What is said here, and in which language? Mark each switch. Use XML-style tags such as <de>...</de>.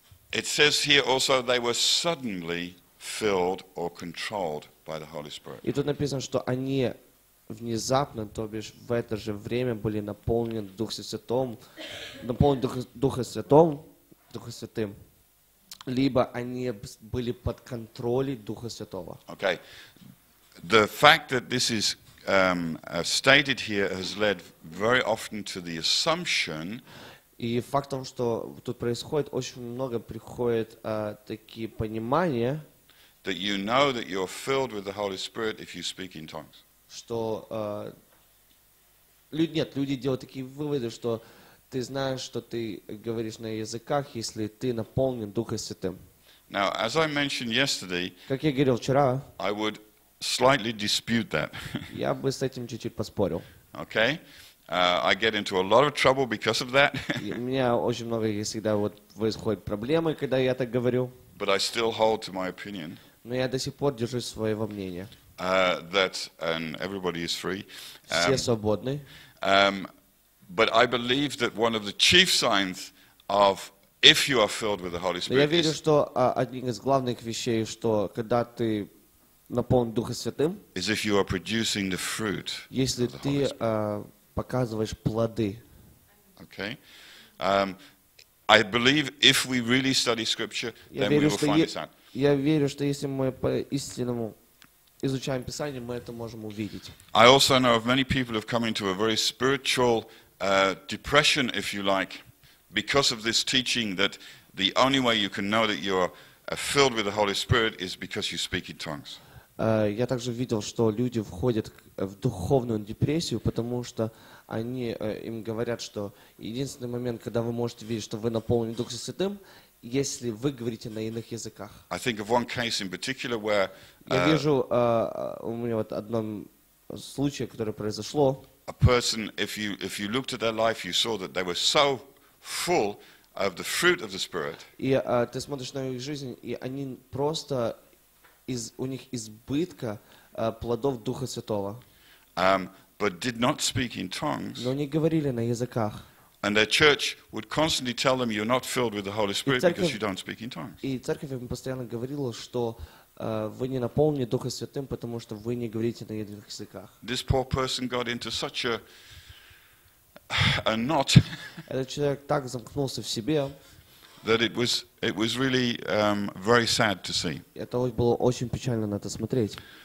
<en>It says here also they were suddenly filled or controlled by the Holy Spirit.</en> <ru>И тут написано, что они внезапно, то бишь в это же время были наполнены Духом Святым, Духом Святым, либо они были под контролем Духа Святого. Okay.</ru> <en>The fact that this is stated here has led very often to the assumption.</en> <ru>И факт в том, что тут происходит очень много приходит такие понимания.</ru> <en>That you know that you're filled with the Holy Spirit if you speak in tongues.</en> <ru>Что люди делают такие выводы, что ты знаешь, что ты говоришь на языках, если ты наполнен Духом Святым.</ru> <en>Now, as I mentioned yesterday,</en> <ru>как я говорил вчера,</ru> <en>I would slightly dispute that.</en> <ru>Я бы с этим чуть-чуть поспорил. Okay.</ru> <en>I get into a lot of trouble because of that.</en> <ru>У меня очень много всегда вот происходят проблемы, когда я так говорю.</ru> <en>But I still hold to my opinion.</en> <ru>Но я до сих пор держу своего мнения.</ru> <en>That and everybody is free.</en> <ru>Все свободны.</ru> <en>But I believe that one of the chief signs of if you are filled with the Holy Spirit.</en> <ru>Я верю, что одним из главных вещей, что когда ты наполнен Духом Святым.</ru> <en>Is if you are producing the fruit.</en> <ru>Если ты показываешь плоды. Okay.</ru> <en>I believe if we really study Scripture, then</en> <ru>верю,</ru> <en>we will find this out.</en> <ru>Я верю, что если мы по-истинному изучаем Писание, мы это можем увидеть.</ru> <en>I also know of many people who have come into a very spiritual depression, if you like, because of this teaching that the only way you can know that you are filled with the Holy Spirit is because you speak in tongues.</en> <ru>Я также видел, что люди входят в духовную депрессию, потому что они им говорят, что единственный момент, когда вы можете видеть, что вы наполнены Духом Святым, если вы говорите на иных языках.</ru> <en>I think of one case in particular where</en> <ru>я вижу у меня вот одном случае, которое произошло.</ru> <en>A person, if you looked at their life, you saw that they were so full of the fruit of the Spirit.</en> <ru>И ты смотришь на их жизнь, и они просто у них избытка плодов Духа Святого.</ru> <en>But did not speak in tongues.</en> <ru>Но не говорили на языках.</ru> <en>And their church would constantly tell them, "You're not filled with the Holy Spirit because you don't speak in tongues."</en> <ru>И церковь им постоянно говорила, что вы не наполнены Духом Святым, потому что вы не говорите на иных языках.</ru> <en>This poor person got into such a knot.</en> <ru>Этот человек так замкнулся в себе.</ru> <en>That it was really very sad to see.</en> <ru>Это было очень печально на это смотреть.</ru>